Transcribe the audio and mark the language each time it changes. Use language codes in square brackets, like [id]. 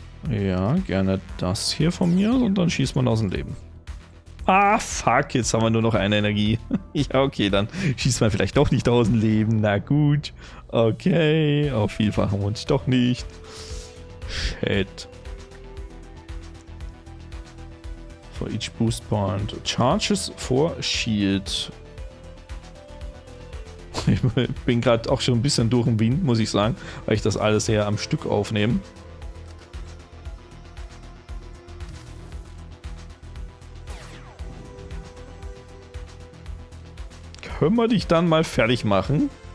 [de] Ja, gerne das hier von mir und dann schießt man aus dem Leben. Ah, fuck, jetzt haben wir nur noch eine Energie. Ja, okay, dann schießt man vielleicht doch nicht aus dem Leben. Na gut, okay, auf vielfachen Wunsch doch nicht. Shit. [en] For each boost point, charges for shield. [de] Ich bin gerade auch schon ein bisschen durch den Wind, muss ich sagen, weil ich das alles eher am Stück aufnehme. Können wir dich dann mal fertig machen?